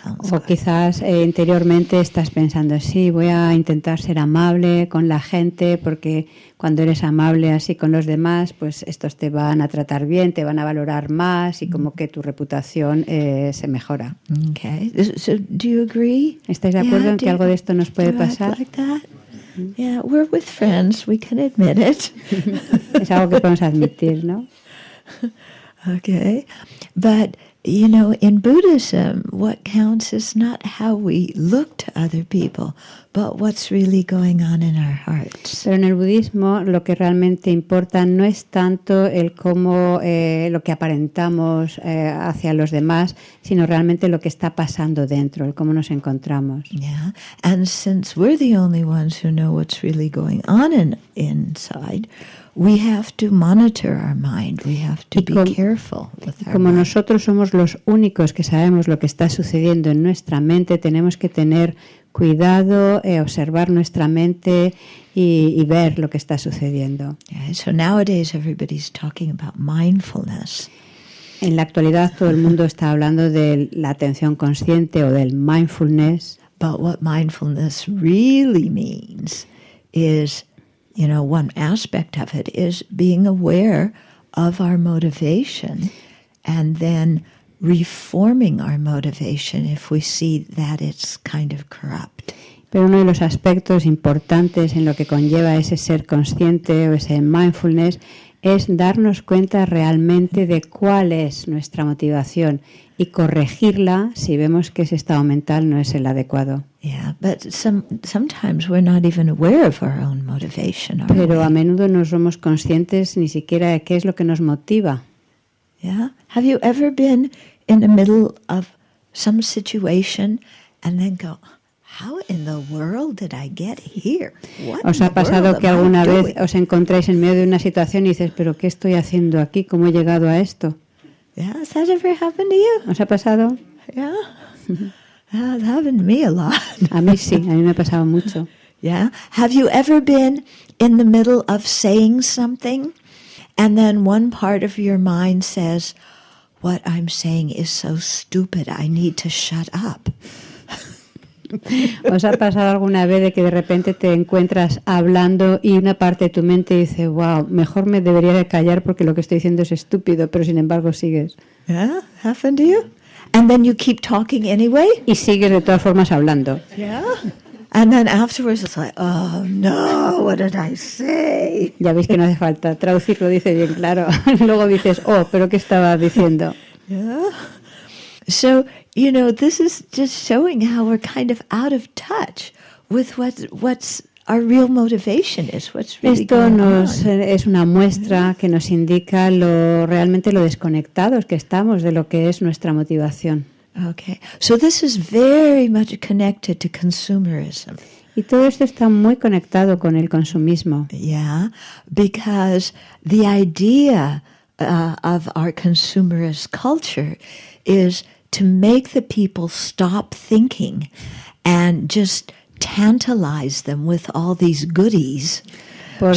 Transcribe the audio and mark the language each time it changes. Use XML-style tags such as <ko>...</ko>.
<es>O quizás interiormente estás pensando, sí, voy a intentar ser amable con la gente porque cuando eres amable así con los demás, pues estos te van a tratar bien, te van a valorar más y como que tu reputación se mejora.</es> <en>Okay. So, do you agree?</en> <es>¿Estáis de acuerdo en que algo de esto nos puede pasar?</es> <en>Yeah, we're with friends, we can admit it.</en> <es>Es algo que podemos admitir, ¿no?</es> <en>Okay, but you know, in Buddhism, what counts is not how we look to other people, but what's really going on in our hearts.</en> <es>Pero en el budismo, lo que realmente importa no es tanto el cómo lo que aparentamos hacia los demás, sino realmente lo que está pasando dentro, el cómo nos encontramos.</es> <en>Yeah, and since we're the only ones who know what's really going on inside. We have to monitor our mind. We have to be careful with our</en> <es>Como</es> <en>mind.</en> <es>Nosotros somos los únicos que sabemos lo que está sucediendo en nuestra mente, tenemos que tener cuidado, observar nuestra mente y ver lo que está sucediendo.</es> <en>Yeah, so nowadays everybody's talking about mindfulness.</en> <es>En la actualidad todo el mundo está hablando de la atención consciente o del mindfulness.</es> <en>But what mindfulness really means is, you know, one aspect of it is being aware of our motivation and then reforming our motivation if we see that it's kind of corrupt.</en> <es>Pero uno de los aspectos importantes en lo que conlleva ese ser consciente o ese mindfulness es darnos cuenta realmente de cuál es nuestra motivación y corregirla si vemos que ese estado mental no es el adecuado.</es> <en>Yeah, but sometimes we're not even aware of our own motivation.</en> <es>Pero a menudo no somos conscientes ni siquiera de qué es lo que nos motiva.</es> <en>Yeah. Have you ever been in the middle of some situation and then go, how in the world did I get here? What</en> <es>¿Os ha pasado que alguna vez os encontráis en medio de una situación y dices, pero qué estoy haciendo aquí? ¿Cómo he llegado a esto?</es> <en>Yeah, has that ever happened to you?</en> <es>¿Os ha pasado?</es> <en>Yeah. Yeah, it happened to me a lot.</en> <es>A mí sí, a mí me ha pasado mucho.</es> <en>Yeah. Have you ever been in the middle of saying something and then one part of your mind says, what I'm saying is so stupid, I need to shut up?</en> <es>¿Os ha pasado alguna vez de que de repente te encuentras hablando y una parte de tu mente dice, wow, mejor me debería de callar porque lo que estoy diciendo es estúpido, pero sin embargo sigues?</es> <en>Yeah, happened to you? And then you keep talking anyway?</en> <es>Y sigues de todas formas hablando.</es> <en>Yeah? And then afterwards it's like, oh no, what did I say?</en> <es>Ya veis que no hace falta traducirlo, dice bien claro. Luego dices, oh, pero ¿qué estaba diciendo? Yeah.</es> <en>So, you know, this is just showing how we're kind of out of touch with what's our real motivation is, what's really</en> <es>Esto</es> <en>going</en> <es>nos,</es> <en>on.</en> <es>Es una muestra que nos indica lo realmente lo desconectados que estamos de lo que es nuestra motivación.</es> <en>Okay. So this is very much connected to consumerism.</en> <es>Y todo esto está muy conectado con el consumismo.</es> <en>Yeah, because the idea of our consumerist culture is to make the people stop thinking and just tantalize them with all these goodies</en> <es>porque,</es>